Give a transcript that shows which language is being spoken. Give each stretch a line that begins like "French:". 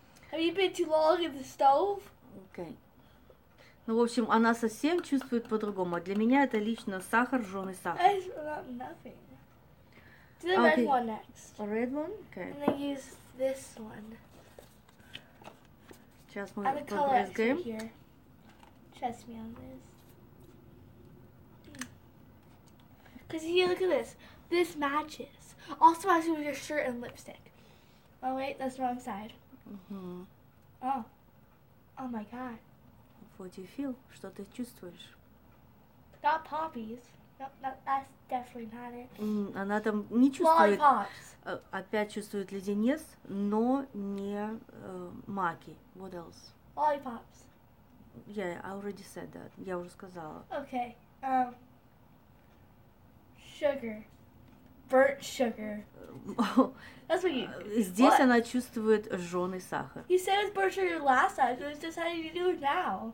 English: Have you been too long in the stove? Okay.
Russian: Ну, в общем, она совсем чувствует по-другому. Для меня это лично сахар, жжёный сахар.
English: I smell nothing. Do the red one next. A red one? Okay. And then use this one.
Russian: Сейчас мы побрызгаем.
English: Trust me on this. Because here, look at this. This matches. Also matches with your shirt and lipstick. Oh wait, that's the wrong side. Mm-hmm. Oh. Oh my god. What do you feel?
Russian: Что ты чувствуешь?
English: Not poppies. Nope, that's definitely not it.
Russian: Она там не чувствует.
English: Lollipops.
Russian: Опять чувствует леденец, но не
English: Maki. What else? Lollipops. Yeah, I already said that.
Russian: Я уже сказала.
English: Okay. Sugar. Burnt sugar. That's what you...
Russian: Здесь
English: what?
Russian: Она чувствует жжёный сахар.
English: You said it was burnt sugar last time, so it's just how you do it now.